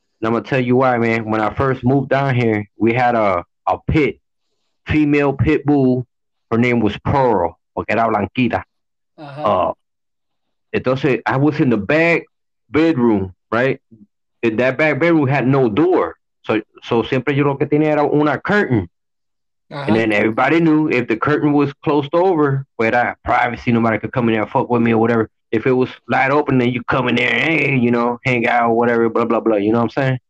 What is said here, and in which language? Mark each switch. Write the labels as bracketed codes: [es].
[en] And I'm going to tell you why, man. When I first moved down here, we had a pit, female pit bull. Her name was Pearl, [es] porque era blanquita. [en] Uh-huh. Entonces, I was in the back bedroom, right? And that back bedroom had no door. [es] So siempre yo lo que tenía era una curtain. Uh-huh. [en] And then everybody knew if the curtain was closed over, where that privacy, nobody could come in there and fuck with me or whatever. If it was light open, then you come in there, hey, you know, hang out or whatever, blah, blah, blah. You know what I'm saying?